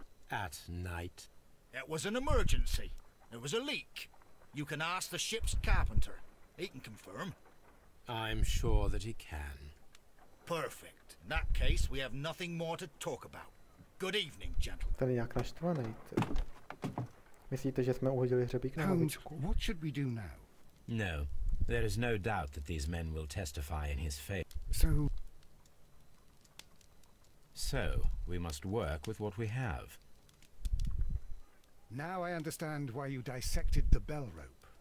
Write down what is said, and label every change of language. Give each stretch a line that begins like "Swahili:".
English: At night? It was an emergency. There was a leak. You can ask the ship's carpenter. He can confirm. I'm sure that he can. Perfect. In that case, we have nothing more to talk about. Good evening, gentlemen.
Czech: Ten jak naštvaný. Myslíte, že jsme uhodili hřebík na hlavičku?
English: What should we do now? No. There is no doubt that these men will testify in his favor. So, we must work with what we have. Now I understand why you dissected the bell rope.